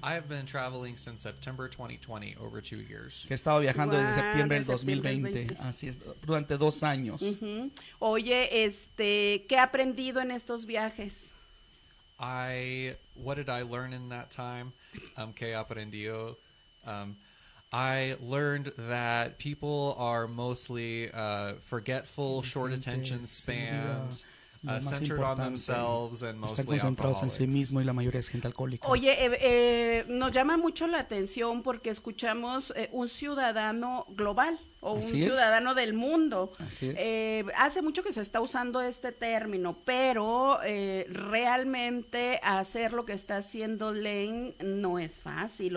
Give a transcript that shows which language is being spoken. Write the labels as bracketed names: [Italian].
[English] I have been traveling since September 2020, over 2 years. [Spanish] Que he estado viajando desde septiembre del 2020, así es, durante 2 años. Uh-huh. Oye, ¿qué he aprendido en estos viajes? [English] What did I learn in that time? [Spanish] ¿Qué he aprendido? [English] I learned that people are mostly forgetful, short attention spans, centered on themselves and mostly alcoholics. [Spanish] En sí mismo y la mayoría es gente alcohólica. Oye, nos llama mucho la atención porque escuchamos un ciudadano global. o así un es. Ciudadano del mundo. Así es. Hace mucho que se está usando este término, pero realmente hacer lo que está haciendo Lane no es fácil.